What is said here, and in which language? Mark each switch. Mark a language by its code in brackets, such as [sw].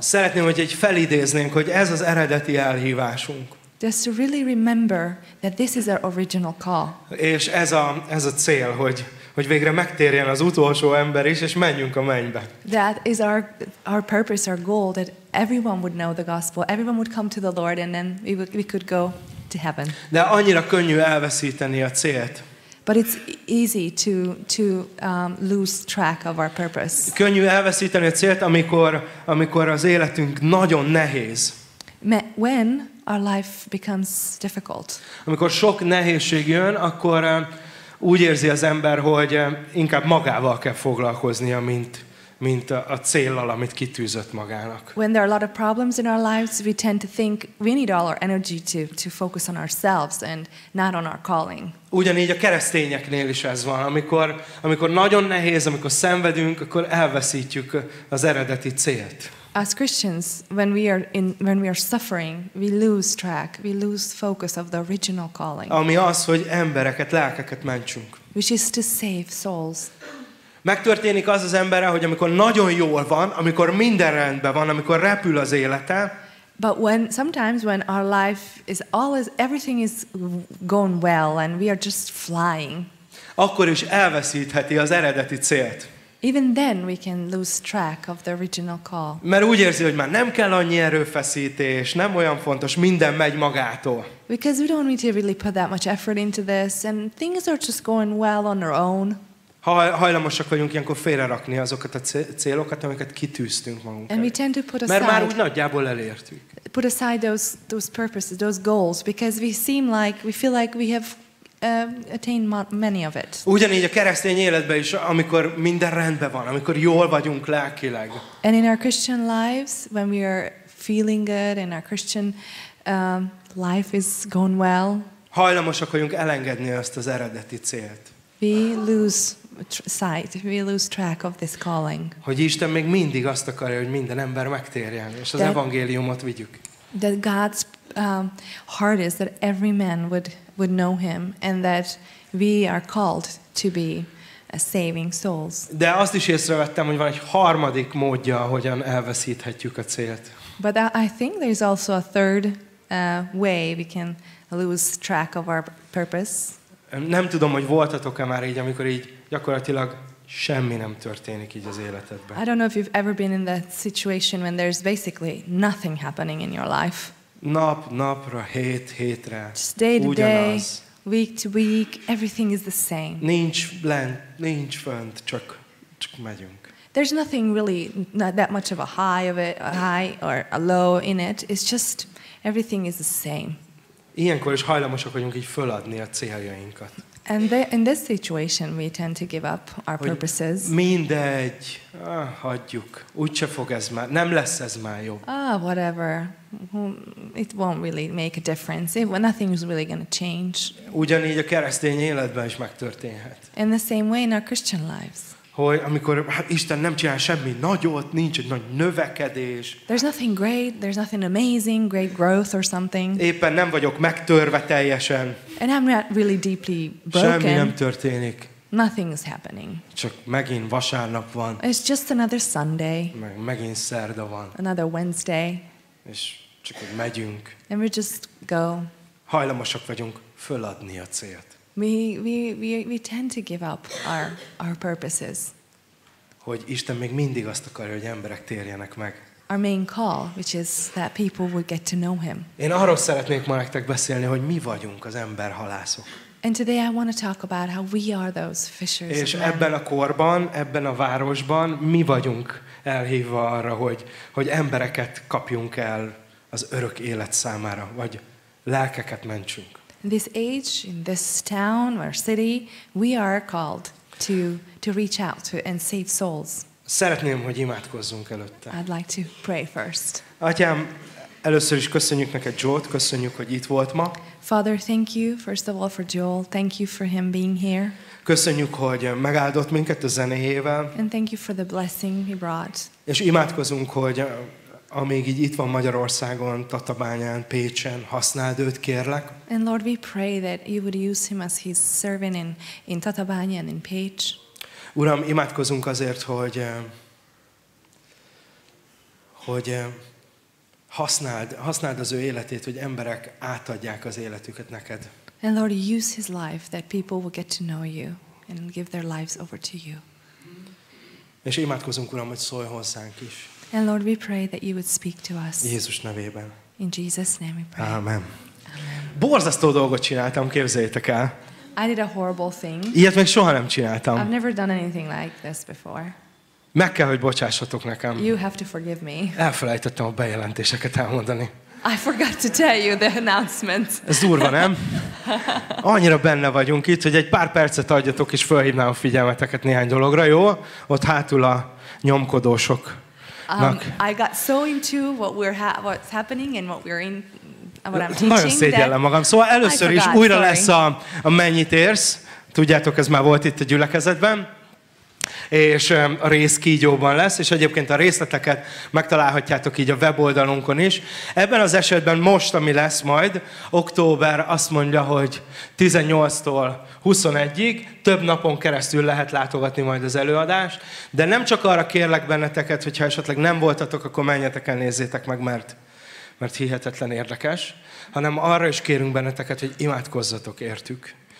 [hu] Szeretném, hogy egy felidéznénk, hogy ez az eredeti elhívásunk. [en] Just to really remember that this is our original call. [hu] És ez a cél, hogy végre megtérjen az utolsó ember is, és menjünk a mennybe. [en] That is our purpose, our goal, that everyone would know the gospel, everyone would come to the Lord, and then we could go to heaven. [hu] De annyira könnyű elveszíteni a célt. [en] But it's easy to lose track of our purpose. [hu] Könnyű elveszíteni a célt, amikor az életünk nagyon nehéz. [en] When our life becomes difficult. [hu] Amikor sok nehézség jön, akkor úgy érzi az ember, hogy inkább magával kell foglalkoznia, mint a céllal, amit kitűzött magának. [en] When there are a lot of problems in our lives, we tend to think we need all our energy to focus on ourselves and not on our calling. [hu] Ugyanígy a keresztényeknél is ez van. Amikor nagyon nehéz, amikor szenvedünk, akkor elveszítjük az eredeti célt. [en] As Christians, when we are suffering, we lose track, we lose focus of the original calling. [hu] Ami az, hogy embereket, lelkeket mentsünk. [en] Which is to save souls. [hu] Megtörténik az az emberre, hogy amikor nagyon jól van, amikor minden rendben van, amikor repül az élete. [en] But when sometimes when our life is all is everything is going well and we are just flying. [hu] Akkor is elveszítheti az eredeti célt. [en] Even then we can lose track of the original call. [hu] Mert úgy érzi, hogy már nem kell annyi erőfeszítés, nem olyan fontos, minden megy magától. [en] Because we don't need to really put that much effort into this and things are just going well on their own. [hu] Hajlamosak vagyunk ilyenkor félrerakni azokat a célokat, amiket kitűztünk magunk elé. [en] And we tend to put aside, [hu] mert már úgy nagyjából elértük. [en] Put aside those purposes, those goals, because we feel like we have attain many of it. [hu] Ugyanígy a keresztény életben is, amikor minden rendben van, amikor jól vagyunk lelkileg. [en] And in our Christian lives, when we are feeling good and our Christian life is going well. [hu] Hajlamosak vagyunk elengedni azt az eredeti célt. [en] We lose sight, we lose track of this calling. [hu] Hogy Isten még mindig azt akarja, hogy minden ember megtérjen, és az evangéliumot vigyük. [en] That God's heart is that every man would know him and that we are called to be saving souls. [hu] De azt is észrevettem, hogy van egy harmadik módja, hogyan elveszíthetjük a célt. [en] But I think there's also a third way we can lose track of our purpose. [hu] Nem tudom, hogy voltatok-e már így, amikor így gyakorlatilag semmi nem történik így az életedben. [en] I don't know if you've ever been in that situation when there's basically nothing happening in your life. [hu] Nap napra, hét hétre. [en] Just day to day, week to week, everything is the same. [hu] Nincs lent, nincs fönt, csak megyünk. [en] There's nothing really, not that much of a high of it, a high or a low in it. It's just everything is the same. [hu] Ilyenkor is hajlamosak vagyunk így föladni a céljainkat. [en] And in this situation, we tend to give up our purposes. [hu] Mindegy, hagyjuk. Úgyse fog ez már, nem lesz ez már jobb. [en] Whatever. It won't really make a difference. Nothing is really going to change. [hu] Ugyanígy a keresztény életben is megtörténhet. [en] In the same way in our Christian lives. [hu] Hogy amikor Isten nem csinál semmi nagyot, nincs egy nagy növekedés. [en] There's nothing great, there's nothing amazing, great growth or something. [hu] Éppen nem vagyok megtörve teljesen. [en] And I'm not really deeply broken. [hu] Semmi nem történik. [en] Nothing is happening. [hu] Csak megint vasárnap van. [en] It's just another Sunday. [hu] Megint szerda van. [en] Another Wednesday. [hu] És csak úgy megyünk. [en] And we just go. [hu] Hajlamosak vagyunk föladni a célt. [en] We tend to give up our purposes. [hu] Hogy Isten még mindig azt akarja, hogy emberek térjenek meg. [en] Our main call, which is that people would get to know him. [hu] Én arról szeretnék ma nektek beszélni, hogy mi vagyunk az emberhalászok. [en] And today I want to talk about how we are those fishers. [hu] És ebben a korban, ebben a városban mi vagyunk elhívva arra, hogy embereket kapjunk el az örök élet számára, vagy lelkeket mentsünk. [en] In this age, in this town or city, we are called to reach out to and save souls. [hu] Szeretném, hogy imádkozzunk előtte. [en] I'd like to pray first. [hu] Atyám, először is köszönjük neked Joel-t, köszönjük, hogy itt volt ma. [en] Father, thank you first of all for Joel. Thank you for him being here. [hu] Köszönjük, hogy megáldott minket a zenéjével. [en] And thank you for the blessing he brought. [hu] És imádkozunk, hogy amíg így itt van Magyarországon, Tatabányán, Pécsen, használd őt, kérlek. [en] And Lord, we pray that you would use him as his servant in Tatabánya and in Pécs. [hu] Uram, imádkozunk azért, hogy használd az ő életét, hogy emberek átadják az életüket neked. [en] And Lord, use his life that people will get to know you and give their lives over to you. [hu] És imádkozunk, Uram, hogy szólj hozzánk is. [en] And Lord, we pray that you would speak to us. [hu] Jézus nevében. [en] In Jesus' name we pray. Amen. [hu] Borzasztó dolgot csináltam, képzeljétek el. [en] I did a horrible thing. [hu] Ilyet még soha nem csináltam. [en] I've never done anything like this before. [hu] Meg kell, hogy bocsássatok nekem. [en] You have to forgive me. [hu] Elfelejtettem a bejelentéseket elmondani. [en] I forgot to tell you the announcement. [hu] Ez durva, nem? Annyira benne vagyunk itt, hogy egy pár percet adjatok, és fölhívnám a figyelmeteket néhány dologra, jó? Ott hátul a nyomkodósok. [en] I got so into what's happening and what I'm teaching. [hu] Nagyon szégyellem magam. Szóval először is újra lesz a mennyit érsz. Tudjátok, ez már volt itt a gyülekezetben. És a rész kígyóban lesz, és egyébként a részleteket megtalálhatjátok így a weboldalunkon is. Ebben az esetben most, ami lesz majd, október azt mondja, hogy 18-tól 21-ig, több napon keresztül lehet látogatni majd az előadást, de nem csak arra kérlek benneteket, hogyha esetleg nem voltatok, akkor menjetek el, nézzétek meg, mert hihetetlen érdekes, hanem arra is kérünk benneteket, hogy imádkozzatok értük.